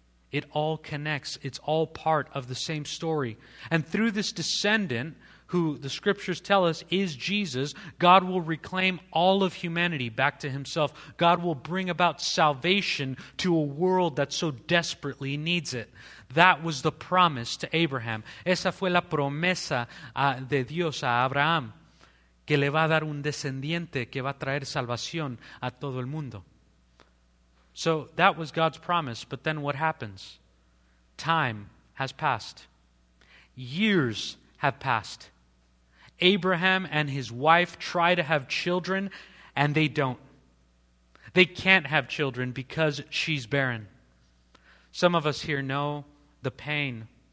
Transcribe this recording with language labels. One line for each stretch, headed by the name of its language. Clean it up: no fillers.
English: It all connects. It's all part of the same story. And through this descendant, who the scriptures tell us is Jesus, God will reclaim all of humanity back to himself. God will bring about salvation to a world that so desperately needs it. That was the promise to Abraham.
Spanish: Esa fue la promesa de Dios a Abraham, que le va a dar un descendiente que va a traer salvación a todo el mundo.
English: So that was God's promise, but then what happens? Time has passed. Years have passed. Abraham and his wife try to have children, and they don't. They can't have children because she's barren. Some of us here know the pain